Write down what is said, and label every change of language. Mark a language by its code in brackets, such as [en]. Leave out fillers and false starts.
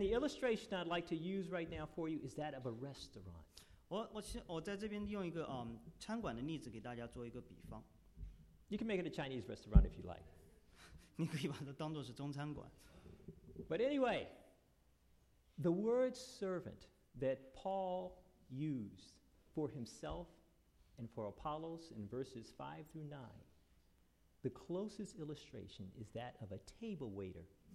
[en] the illustration I'd like to use right now for you is that of a restaurant. [zh] 我在这边用一个餐馆的例子给大家做一个比方。 [en] You can make it a Chinese restaurant if you like. [zh] 你可以把它当做是中餐馆。 [en] But anyway, the word servant that Paul used for himself and for Apollos in verses 5 through 9, the closest illustration is that of a table waiter.